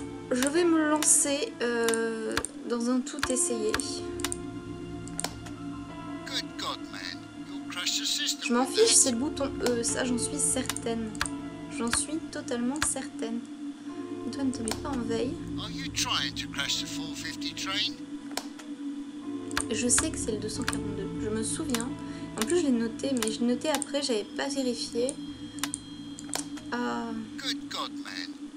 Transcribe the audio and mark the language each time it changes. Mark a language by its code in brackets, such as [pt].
[fr] Je vais me lancer dans un tout essayer. [en] Good God, man. You'll crush the system. [fr] Je m'en fiche, c'est le bouton E, ça j'en suis certaine. J'en suis totalement certaine. Toi, ne te mets pas en veille. [en] Are you trying to crash the 450 train? [fr] Je sais que c'est le 242, je me souviens. En plus, je l'ai noté, mais je l'ai noté après, j'avais pas vérifié. [en] Good God, man.